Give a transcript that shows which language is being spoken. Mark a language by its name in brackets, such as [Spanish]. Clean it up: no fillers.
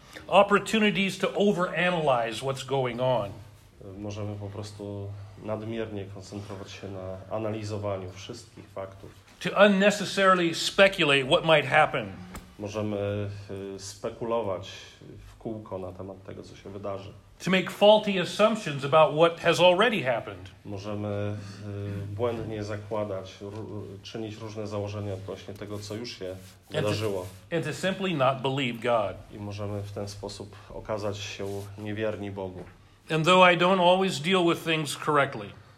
[English] Opportunities to overanalyze what's going on. [Polish] Możemy po prostu nadmiernie koncentrować się na analizowaniu wszystkich faktów. [English] To unnecessarily speculate what might happen. [Polish] Możemy spekulować w kółko na temat tego, co się wydarzy. [English] To make faulty assumptions about what has already happened. [Polish] Możemy błędnie zakładać, czynić różne założenia odnośnie tego, co już się wydarzyło. [English] And to simply not believe God. [Polish] I możemy w ten sposób okazać się niewierni Bogu. [English] And though I don't always deal with things correctly,